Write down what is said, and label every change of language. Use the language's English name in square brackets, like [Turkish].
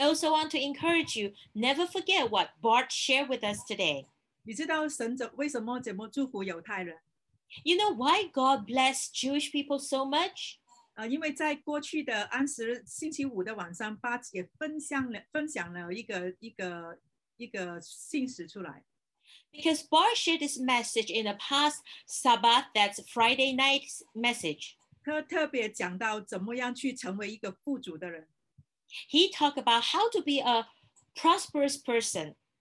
[English] also want to encourage you, never forget what Bart shared with us today. [Chinese] 你知道神怎么祝福犹太人？ [English] You know why God blessed Jewish people so much? [Chinese] 因为在过去的安息星期五的晚上，Bart也分享了一个。 [English] Because Bart shared this message in the past Sabbath, that's Friday night's message. [Chinese] 他特别讲到怎么样去成为一个富足的人。 [English] He talked about how to be a prosperous person.